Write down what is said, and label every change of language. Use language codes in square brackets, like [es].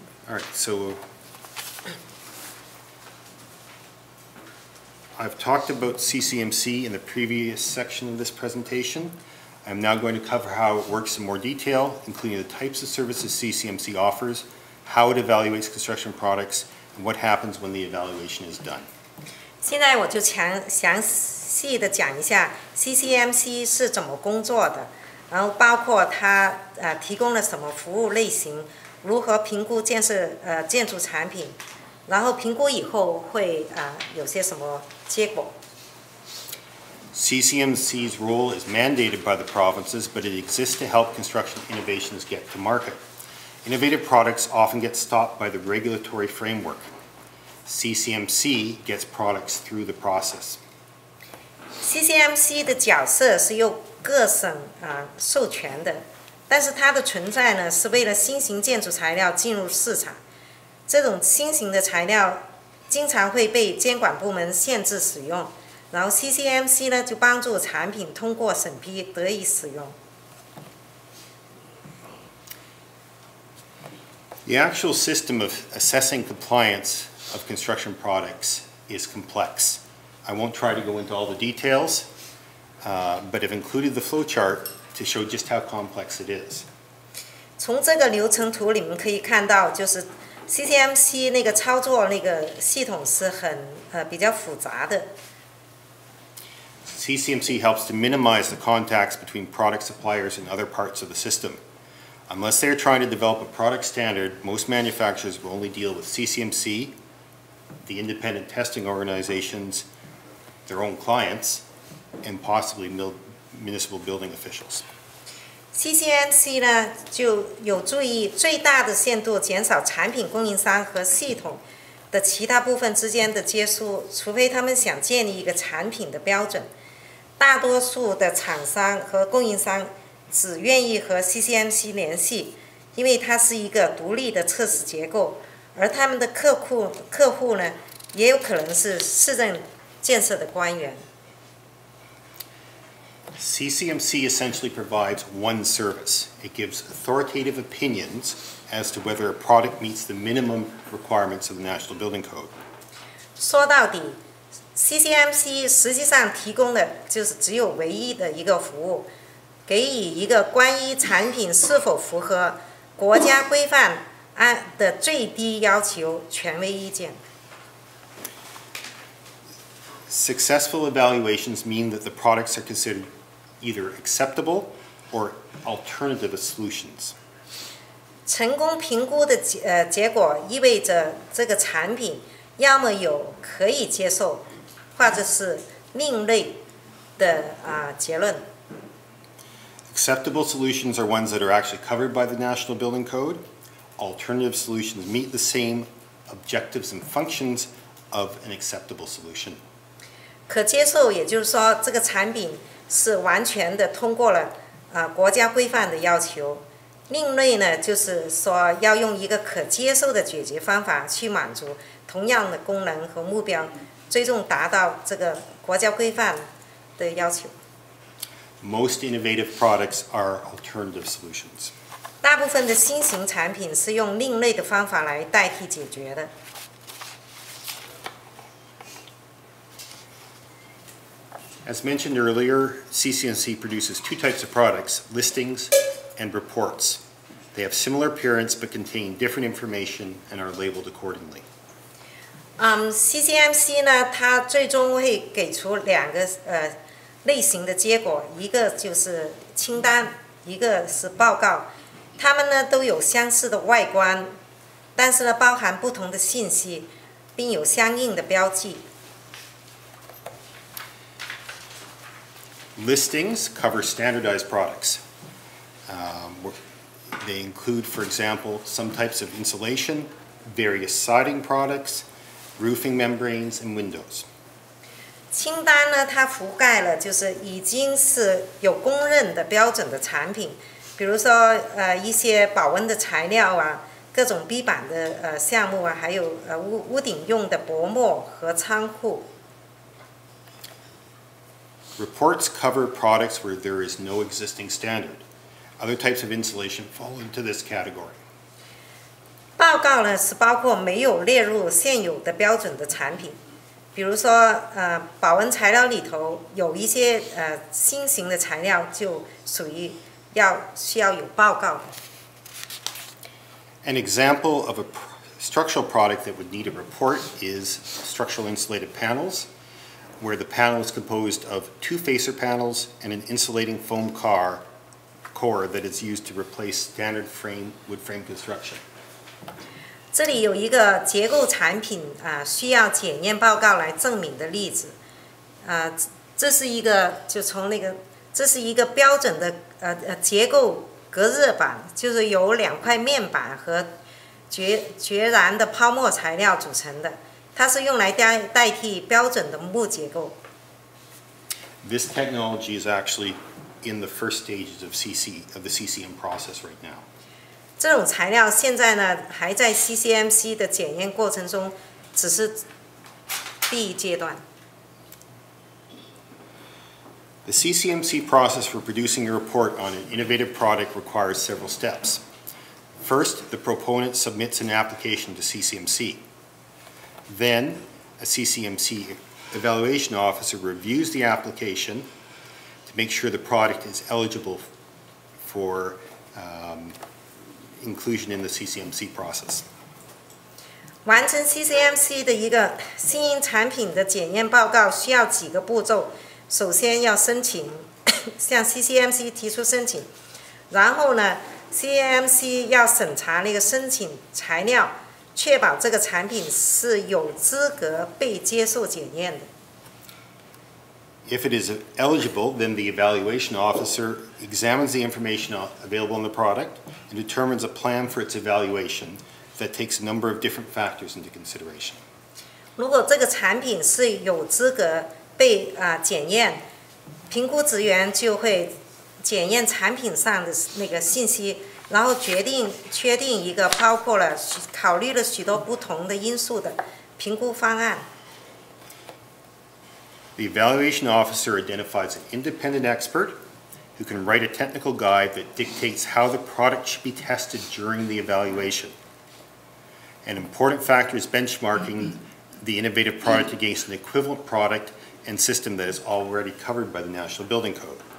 [en] All right. So I've talked about CCMC in the previous section of this presentation. I'm now going to cover how it works in more detail, including the types of services CCMC offers, how it evaluates construction products, and what happens when the evaluation is done. [zh] 现在我就详细的讲一下 CCMC 是怎么工作的，然后包括它提供了什么服务类型，如何评估建筑产品。然后评估以后会有些什么结果。 [en] CCMC's role is mandated by the provinces, but it exists to help construction innovations get to market. Innovative products often get stopped by the regulatory framework. CCMC gets products through the process. [zh] CCMC 的角色是由各省授权的，但是它的存在呢，是为了新型建筑材料进入市场。这种新型的材料经常会被监管部门限制使用，然后 CCMC 呢就帮助产品通过审批得以使用。 [en] The actual system of assessing compliance of construction products is complex. I won't try to go into all the details, but I've included the flowchart to show just how complex it is. [zh] 从这个流程图里面可以看到，就是 CCMC 那个操作那个系统是很比较复杂的。 [en] CCMC helps to minimize the contacts between product suppliers and other parts of the system. Unless they are trying to develop a product standard, most manufacturers will only deal with CCMC, the independent testing organizations, their own clients, and possibly municipal building officials. [zh] CCMC 呢就有助于最大的限度减少产品供应商和系统的其他部分之间的接触，除非他们想建立一个产品的标准。大多数的厂商和供应商只愿意和 CCMC 联系，因为它是一个独立的测试结构，而他们的客户呢，也有可能是市政建设的官员。 [en] CCMC essentially provides one service. It gives authoritative opinions as to whether a product meets the minimum requirements of the National Building Code. [zh] 说到底CCMC 实际上提供的就是只有唯一的一个服务，给予一个关于产品是否符合国家规范的最低要求权威意见。 [en] Successful evaluations mean that the products are considered either acceptable or alternative solutions. [zh] 成功评估的结果意味着这个产品要么有可以接受。或者是另类的结论。 [en] Acceptable solutions are ones that are actually covered by the National Building Code. Alternative solutions meet the same objectives and functions of an acceptable solution. [zh] 可接受，也就是说这个产品是完全的通过了国家规范的要求。另类呢，就是说要用一个可接受的解决方法去满足同样的功能和目标。最终达到这个国家规范的要求。 [en] Most innovative products are alternative solutions. [zh] 大部分的新型产品是用另类的方法来代替解决的。 [en] As mentioned earlier, CCMC produces two types of products, listings and reports. They have similar appearance but contain different information and are labeled accordingly. [zh] CCMC 呢，它最终会给出两个类型的结果，一个就是清单，一个是报告。它们呢都有相似的外观，但是呢包含不同的信息，并有相应的标记。 [en] Listings cover standardized products. They include, for example, some types of insulation, various siding products. Roofing membranes and windows. [zh] 清单呢，它覆盖了就是已经是有公认的标准的产品，比如说一些保温的材料啊，各种壁板的项目啊，还有屋顶用的薄膜和窗户。 [en] Reports cover products where there is no existing standard. Other types of insulation fall into this category. [zh] 报告呢是包括没有列入现有的标准的产品，比如说保温材料里头有一些新型的材料就属于要需要有报告。 [en] An example of a structural product that would need a report is structural insulated panels, where the panel is composed of two facer panels and an insulating foam core that is used to replace standard frame wood frame construction. [zh] 这里有一个结构产品需要检验报告来证明的例子，这是一个就从那个这是一个标准的结构隔热板，就是由两块面板和决然的泡沫材料组成的，它是用来代替标准的木结构。 [en] This technology is actually in the first stages of the CCM process right now. [zh] 这种材料现在呢还在 CCMC 的检验过程中，只是第一阶段。 [en] The CCMC process for producing a report on an innovative product requires several steps. First, the proponent submits an application to CCMC. Then, a CCMC evaluation officer reviews the application to make sure the product is eligible for inclusion in the CCMC process. [zh] 完成 CCMC 的一个新型产品的检验报告需要几个步骤。首先要申请，向 CCMC 提出申请。然后呢 ，CCMC 要审查那个申请材料，确保这个产品是有资格被接受检验的。 [en] If it is eligible, then the evaluation officer examines the information available on the product and determines a plan for its evaluation that takes a number of different factors into consideration. [zh] 如果这个产品是有资格被检验，评估职员就会检验产品上的那个信息，然后确定一个包括了考虑了许多不同的因素的评估方案。 [en] The evaluation officer identifies an independent expert who can write a technical guide that dictates how the product should be tested during the evaluation. An important factor is benchmarking the innovative product against an equivalent product and system that is already covered by the National Building Code.